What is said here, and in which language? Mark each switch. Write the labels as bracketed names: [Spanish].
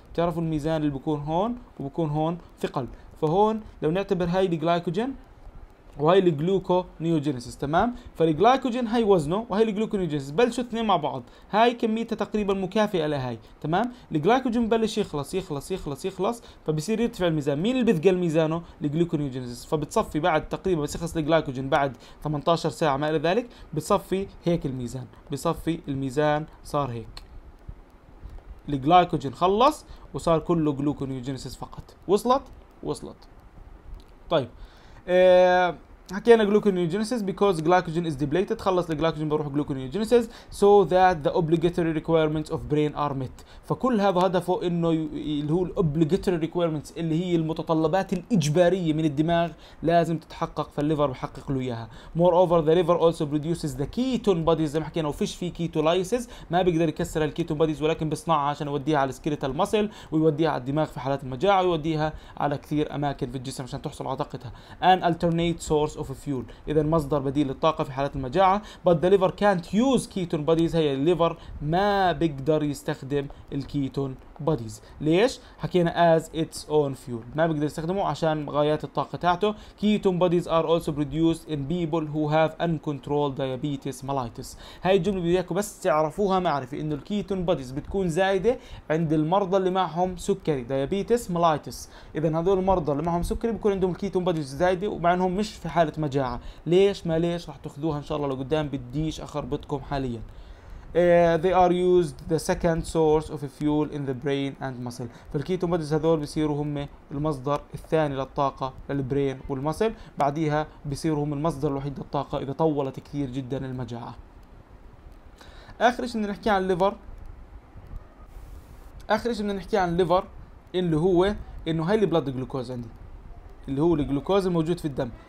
[Arabic] تعرفوا الميزان اللي بكون هون وبكون هون ثقل، فهون لو نعتبر هاي الجلايكوجين وهي الجلوكو نيوجينيسيس، تمام؟ فالجلايكوجين هاي وزنه وهي الجلوكو نيوجينيسيس، بلشوا اثنين مع بعض، هاي كميتها تقريبا مكافئة لهاي، تمام؟ الجلايكوجين بلش يخلص يخلص يخلص يخلص، فبصير يرتفع الميزان، مين اللي بثقل ميزانه؟ الجلوكو نيوجينيسيس، فبتصفي بعد تقريبا بس يخلص الجلايكوجين بعد 18 ساعة ما إلى ذلك، بصفي هيك الميزان، بصفي الميزان صار هيك. الجلايكوجين خلص وصار كله جلوكو نيوجينيسيس فقط، وصلت؟ وصلت. طيب حكينا [English] gluconeogenesis because glycogen is depleted، [Arabic] خلص الجلايكوجين بروح [English] gluconeogenesis so that the obligatory requirements of brain are met. [Arabic] فكل هذا هدفه انه اللي هو obligatory requirements اللي هي المتطلبات الإجبارية من الدماغ لازم تتحقق، فالليفر بحقق له إياها. [English] moreover the liver also produces the ketone bodies [Arabic] زي ما حكينا، وفيش في ketolysis ما بيقدر يكسر الketone bodies ولكن بيصنعها عشان يوديها على skeletal muscle ويوديها على الدماغ في حالات المجاعة ويوديها على كثير أماكن في الجسم عشان تحصل على طاقتها. [English] an alternate source of fuel، [Arabic] اذا مصدر بديل للطاقه في حالات المجاعه. [English] but the liver can't use ketone bodies، [Arabic] هي الليفر ما بيقدر يستخدم الكيتون بوديز. ليش؟ حكينا [English] as its own fuel، [Arabic] ما بيقدر يستخدمه عشان غايات الطاقه تاعته. [English] ketone bodies are also produced in people who have uncontrolled diabetes mellitus. [Arabic] هاي الجمله بدي اياكم بس تعرفوها معرفه، انه الكيتون بوديز بتكون زايده عند المرضى اللي معهم سكري diabetes mellitus. اذا هذول المرضى اللي معهم سكري بيكون عندهم الكيتون بوديز زايده ومع انهم مش في حالة مجاعة. ليش ما ليش راح تاخذوها ان شاء الله لقدام، بديش اخربطكم حاليا. [English] They are used the second source of fuel in the brain and muscle. [Arabic] فالكيتون بوديز هذول بيصيروا هم المصدر الثاني للطاقة للبرين والمسل، بعديها بيصيروا هم المصدر الوحيد للطاقة اذا طولت كثير جدا المجاعة. اخر شيء بدنا نحكي عن الليفر، اخر شيء بدنا نحكي عن الليفر اللي هو انه هاي البلد جلوكوز عندي، اللي هو الجلوكوز الموجود في الدم.